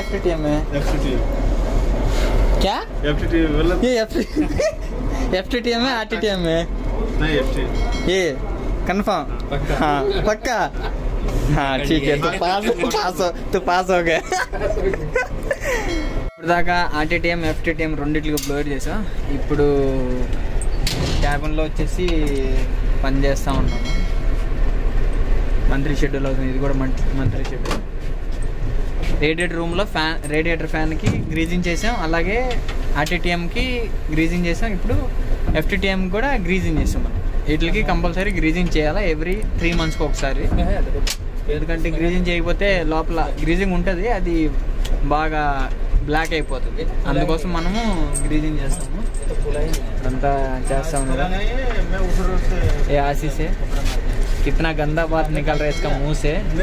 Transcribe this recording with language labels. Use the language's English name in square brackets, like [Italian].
[Hindi] एफटीटीएम है। क्या एफटीटीएम मतलब? ये एफटीटीएम है, एटीटीएम है। नहीं एफटी, ये कंफर्म पक्का? हां पक्का। हाँ ठीक है, तो पास पास तो पास हो गया। [Telugu] ఇప్పటిదాకా ఆర్టీటీఎం ఎఫ్టీటీఎం రెండింటికి బ్లోర్ చేసాం, ఇప్పుడు క్యాబిన్లో వచ్చేసి పని చేస్తూ ఉన్నాము. మంత్రి షెడ్యూల్ అవుతుంది, ఇది కూడా మంత్రి షెడ్యూల్. రేడియేటర్ రూమ్లో ఫ్యాన్, రేడియేటర్ ఫ్యాన్కి గ్రీజింగ్ చేసాం, అలాగే ఆర్టీటీఎంకి గ్రీజింగ్ చేసాం, ఇప్పుడు ఎఫ్టీటీఎం కూడా గ్రీజింగ్ చేసాం. మనం వీటికి కంపల్సరీ గ్రీజింగ్ చేయాలి, ఎవ్రీ 3 మంత్స్కి ఒకసారి. ఎందుకంటే గ్రీజింగ్ చేయకపోతే లోపల గ్రీజింగ్ ఉంటుంది, అది బాగా బ్లాక్ అయిపోతుంది, అందుకోసం మనము గ్రీజింగ్ చేస్తాము. అంతా చేస్తాము ఏ ఆసీసే కిప్నా గందా బాత్ నికల్ రేస్ కా మూసే